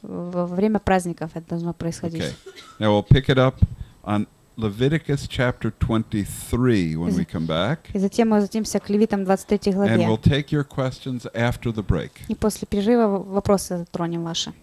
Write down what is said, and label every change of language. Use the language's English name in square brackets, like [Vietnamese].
[Russian] Во время праздников это должно происходить. [English] Okay. Now we'll pick it up on Leviticus chapter 23 when we come back. [Russian] И затем мы возвратимся к Левитам 23 главе. [English] And we'll take your questions after the break. [Russian] И после перерыва вопросы затронем ваши.